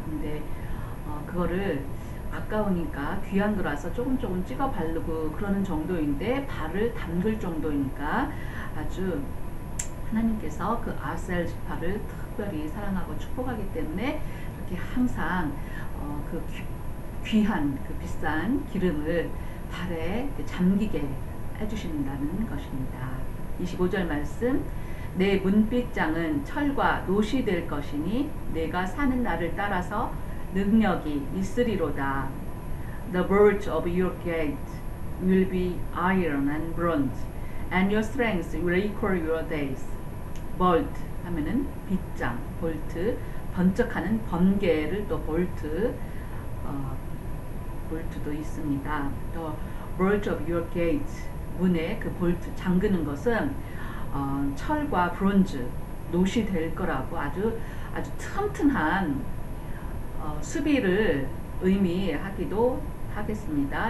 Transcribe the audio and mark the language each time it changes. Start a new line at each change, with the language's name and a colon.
Korean: 근데 그거를 아까우니까 귀한 거라서 조금 찍어 바르고 그러는 정도인데, 발을 담글 정도이니까 아주 하나님께서 그 아셀 지파를 특별히 사랑하고 축복하기 때문에 이렇게 항상 그 귀한 그 비싼 기름을 발에 잠기게 해주신다는 것입니다. 25절 말씀, 내 문빗장은 철과 놋이 될 것이니 내가 사는 날을 따라서 능력이 있으리로다.
English: The bolts of your gate will be iron and bronze, and your strength will equal your days.
Korean: Bolt 하면은 빗장, 볼트, 번쩍하는 번개를 또 볼트도 있습니다.
English: The bolt of your gate
Korean: 문에 그 볼트 잠그는 것은 철과 브론즈, 놋이 될 거라고 아주 아주 튼튼한 수비를 의미하기도 하겠습니다.